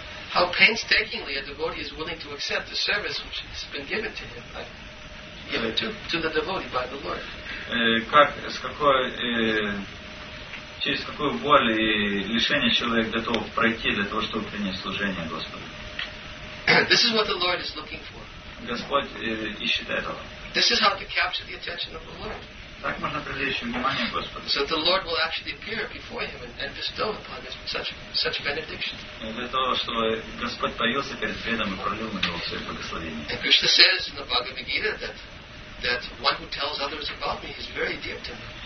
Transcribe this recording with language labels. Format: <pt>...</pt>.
<en>How painstakingly a devotee is willing to accept the service which has been given to him, given to the devotee by the Lord.</en> <ru>Через какую боль и лишение человек готов пройти для того, чтобы принять служение Господу.</ru> <en>This is what the Lord is looking for.</en> <ru>Господь ищет этого.</ru> <en>This is how to capture the attention of the Lord.</en> <ru>Так можно привлечь внимание Господа.</ru> <en>So the Lord will actually appear before him and bestow upon him such benediction.</en> <ru>Для того, чтобы Господь появился перед преданным и пролил на него свое благословение.</ru> <en>And Krishna says in the Bhagavad Gita that one who tells others about me is very dear to me.</en>